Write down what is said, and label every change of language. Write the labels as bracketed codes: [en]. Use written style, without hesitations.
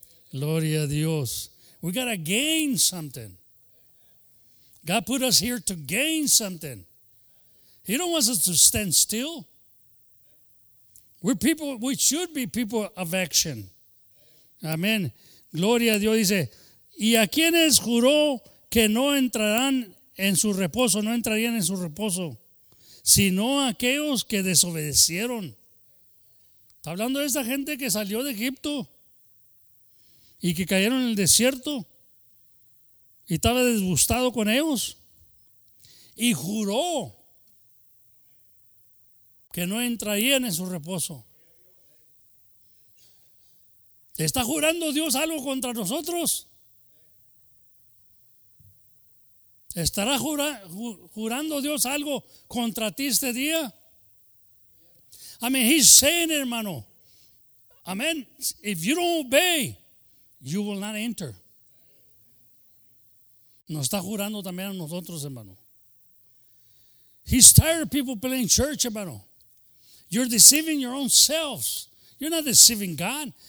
[es] Gloria a Dios. [en] We got to gain something. God put us here to gain something. He don't want us to stand still. We should be people of action. Amén. [es] Gloria a Dios, dice. Y a quienes juró que no entrarán en su reposo, no entrarían en su reposo, sino aquellos que desobedecieron. Está hablando de esta gente que salió de Egipto y que cayeron en el desierto y estaba disgustado con ellos y juró que no entrarían en su reposo. ¿Está jurando Dios algo contra nosotros? ¿Estará jurando Dios algo contra ti este día? [en] Amén. He's saying, hermano. Amén. If you don't obey, you will not enter. [es] Nos está jurando también a nosotros, hermano. [en] He's tired of people playing church, [es] hermano. [en] You're deceiving your own selves. You're not deceiving God.